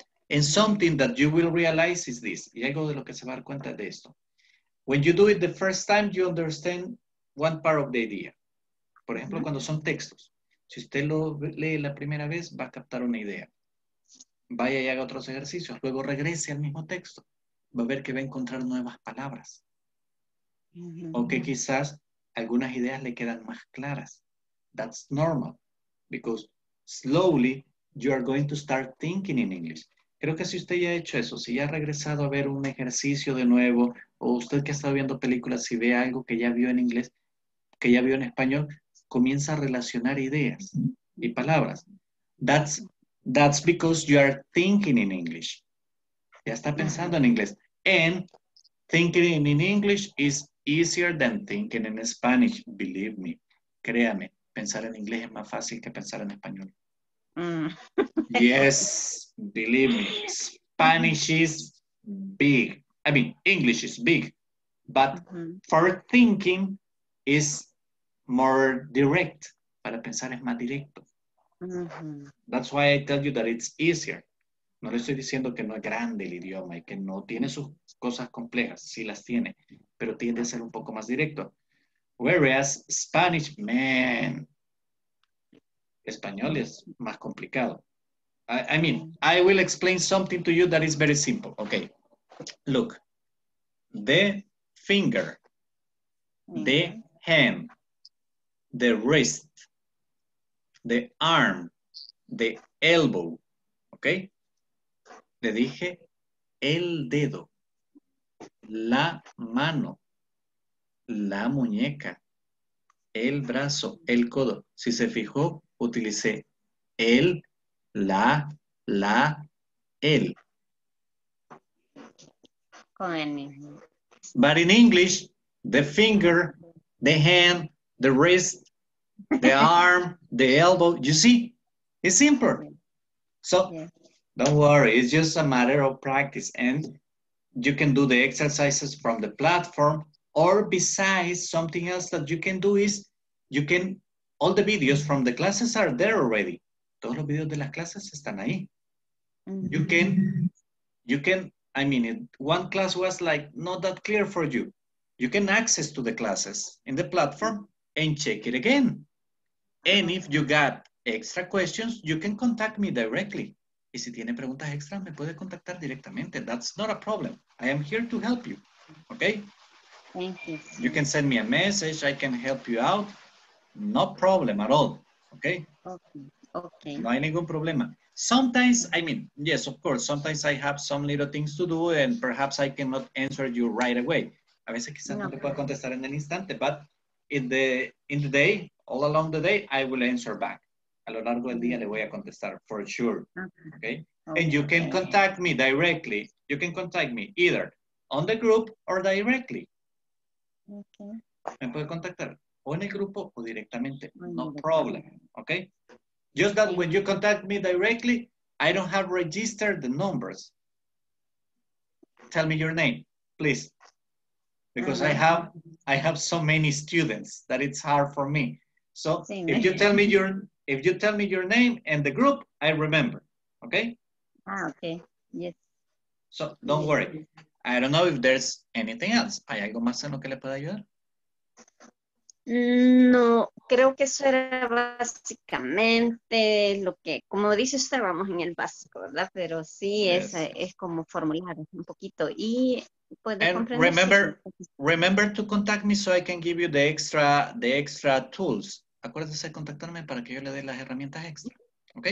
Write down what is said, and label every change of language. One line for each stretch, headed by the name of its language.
English: And something that you will realize is this.
Spanish: Y algo de lo que se va a dar cuenta de esto.
English: When you do it the first time, you understand one part of the idea.
Spanish: Por ejemplo, cuando son textos. Si usted lo lee la primera vez, va a captar una idea. Vaya y haga otros ejercicios. Luego regrese al mismo texto. Va a ver que va a encontrar nuevas palabras. Mm-hmm. O que quizás algunas ideas le quedan más claras.
English: That's normal. Because slowly you are going to start thinking in English.
Spanish: Creo que si usted ya ha hecho eso, si ya ha regresado a ver un ejercicio de nuevo, o usted que ha estado viendo películas, si ve algo que ya vio en inglés, que ya vio en español, comienza a relacionar ideas y palabras.
English: That's because you are thinking in English.
Spanish: Ya está pensando en inglés.
English: And thinking in English is easier than thinking in Spanish. Believe me.
Spanish: Créame. Pensar en inglés es más fácil que pensar en español.
English: Mm. Yes. Believe me. Spanish is big. I mean, English is big. But for thinking is more direct.
Spanish: Para pensar es más directo. Mm-hmm.
English: That's why I tell you that it's easier.
Spanish: No le estoy diciendo que no es grande el idioma y que no tiene sus cosas complejas. Sí las tiene, pero tiende a ser un poco más directo.
English: Whereas Spanish, man,
Spanish: español es más complicado.
English: I mean, I will explain something to you that is very simple. Okay, look. The finger, the hand, the wrist, the arm, the elbow, okay?
Spanish: Le dije el dedo, la mano, la muñeca, el brazo, el codo. Si se fijó, utilicé el, la, el. Con el mismo.
English: But in English, the finger, the hand, the wrist, the arm, the elbow, you see, it's simpler. So, don't worry, it's just a matter of practice. And you can do the exercises from the platform, or besides, something else that you can do is, you can, all the videos from the classes are there already. Todos los videos de las clases están ahí. You can, I mean, one class was like not that clear for you. You can access to the classes in the platform and check it again. And if you got extra questions, you can contact me directly. Y si tiene preguntas extra, me puede contactar directamente. That's not a problem. I am here to help you. Okay? Thank you. You can send me a message. I can help you out. No problem at all. Okay? Okay.
Spanish: No hay ningún problema.
English: Sometimes, I mean, yes, of course, sometimes I have some little things to do and perhaps I cannot answer you right away.
Spanish: A veces quizás no te pueda contestar en el instante,
English: but in the day, all along the day, I will answer back.
Spanish: A lo largo del día le voy a contestar,
English: for sure. Okay? And you can contact me directly. You can contact me either on the group or directly. Okay.
Spanish: Me puede contactar o en el grupo o directamente.
English: No problem. Okay? Just that when you contact me directly, I don't have registered the numbers. Tell me your name, please. Because I have so many students that it's hard for me. So if you tell me your name and the group, I remember. Okay? Ah, okay. Yes. So don't worry. I don't know if there's anything else.
Spanish: ¿Hay algo más en lo que le pueda ayudar? No, creo que eso era básicamente lo que, como dice usted, vamos en el básico, ¿verdad? Pero sí, yes. es como formular un poquito y puede comprender.
English: Remember to contact me so I can give you the extra tools.
Spanish: Acuérdese de contactarme para que yo le dé las herramientas extra, ¿ok?